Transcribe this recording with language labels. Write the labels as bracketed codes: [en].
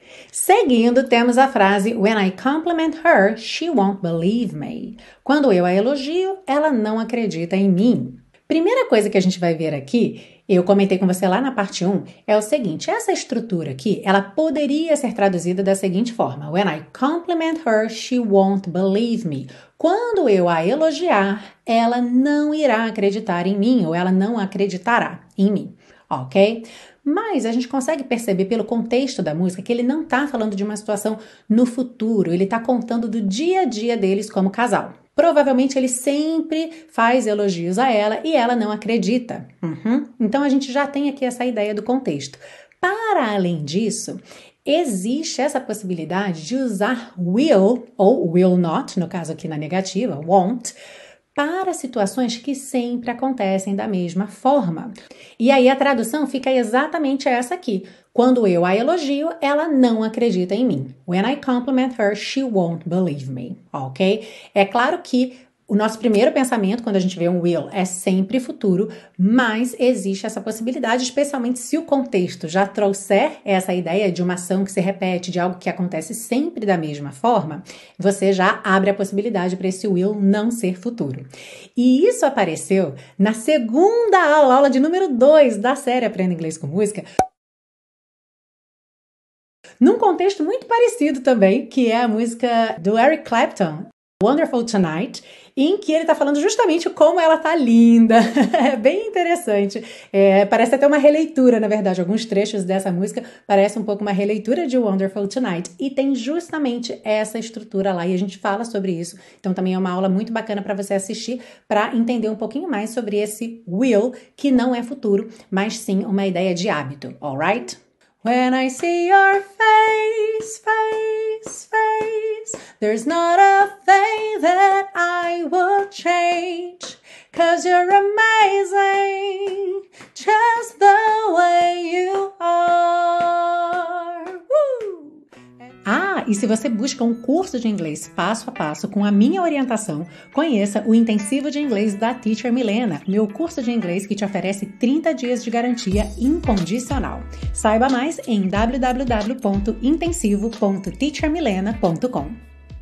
[pt] Seguindo, temos a frase [en] When I compliment her, she won't believe me. [pt] Quando eu a elogio, ela não acredita em mim. Primeira coisa que a gente vai ver aqui, eu comentei com você lá na parte 1, é o seguinte, essa estrutura aqui, ela poderia ser traduzida da seguinte forma, [en] When I compliment her, she won't believe me. [pt] Quando eu a elogiar, ela não irá acreditar em mim, ou ela não acreditará em mim, ok? Mas a gente consegue perceber pelo contexto da música que ele não está falando de uma situação no futuro, ele está contando do dia a dia deles como casal. Provavelmente ele sempre faz elogios a ela e ela não acredita. Uhum. Então a gente já tem aqui essa ideia do contexto. Para além disso, existe essa possibilidade de usar will ou will not, no caso aqui na negativa, won't, para situações que sempre acontecem da mesma forma. E aí a tradução fica exatamente essa aqui. Quando eu a elogio, ela não acredita em mim. [en] When I compliment her, she won't believe me. Ok? [pt] É claro que o nosso primeiro pensamento, quando a gente vê um will, é sempre futuro, mas existe essa possibilidade, especialmente se o contexto já trouxer essa ideia de uma ação que se repete, de algo que acontece sempre da mesma forma, você já abre a possibilidade para esse will não ser futuro. E isso apareceu na segunda aula, aula de número 2 da série Aprenda Inglês com Música, num contexto muito parecido também, que é a música do Eric Clapton, Wonderful Tonight, em que ele tá falando justamente como ela tá linda. É bem interessante. É, parece até uma releitura, na verdade. Alguns trechos dessa música parecem um pouco uma releitura de Wonderful Tonight. E tem justamente essa estrutura lá. E a gente fala sobre isso. Então também é uma aula muito bacana para você assistir para entender um pouquinho mais sobre esse will, que não é futuro, mas sim uma ideia de hábito. [en] Alright? When I see your face, face, face, there's not a thing that I will change. 'Cause you're amazing, just the way you are. [pt] Ah, e se você busca um curso de inglês passo a passo com a minha orientação, conheça o Intensivo de Inglês da Teacher Milena, meu curso de inglês que te oferece 30 dias de garantia incondicional. Saiba mais em www.intensivo.teachermilena.com.